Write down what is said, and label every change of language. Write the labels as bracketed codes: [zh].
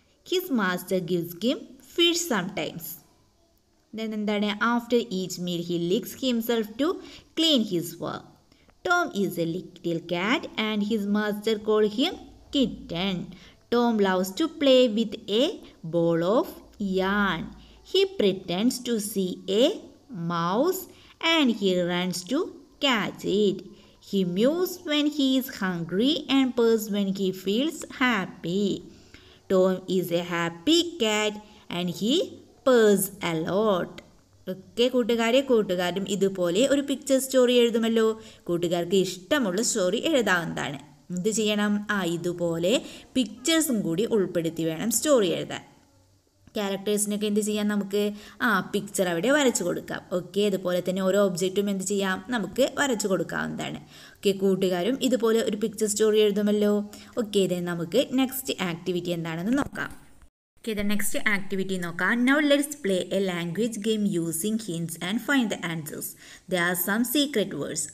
[en] His master gives him fish sometimes. Then [ml] എന്താണ്? [en] After each meal he licks himself to clean his fur. Tom is a little cat and his master call him kitten. Tom loves to play with a ball of yarn. He pretends to see a mouse and he runs to catch it. He mews when he is hungry and purrs when he feels happy. Tom is a happy cat and he purrs a lot. [ml] ഒക്കെ കൂട്ടുകാരെ, കൂട്ടുകാരും ഇതുപോലെ ഒരു picture story എഴുതുമല്ലോ. കൂട്ടുകാർക്ക് ഇഷ്ടമുള്ള story എഴുതാവുന്നതാണ്. എന്ത് ചെയ്യണം? ഇതുപോലെ പിക്ചേഴ്സും കൂടി ഉൾപ്പെടുത്തി വേണം സ്റ്റോറി എഴുതാൻ. ക്യാരക്ടേഴ്സിനൊക്കെ എന്ത് ചെയ്യാം? നമുക്ക് പിക്ചർ അവിടെ വരച്ചു കൊടുക്കാം. ഓക്കെ, അതുപോലെ തന്നെ ഓരോ ഒബ്ജക്റ്റും എന്ത് ചെയ്യാം? നമുക്ക് വരച്ചു കൊടുക്കാവുന്നതാണ്. ഓക്കെ, കൂട്ടുകാരും ഇതുപോലെ ഒരു പിക്ചർ സ്റ്റോറി എഴുതുമല്ലോ. ഓക്കെ, ഇതേ നമുക്ക് നെക്സ്റ്റ് ആക്ടിവിറ്റി എന്താണെന്ന് നോക്കാം. [en] Okay, the next activity noka. Now let's play a language game using hints and find the answers. There are some secret words.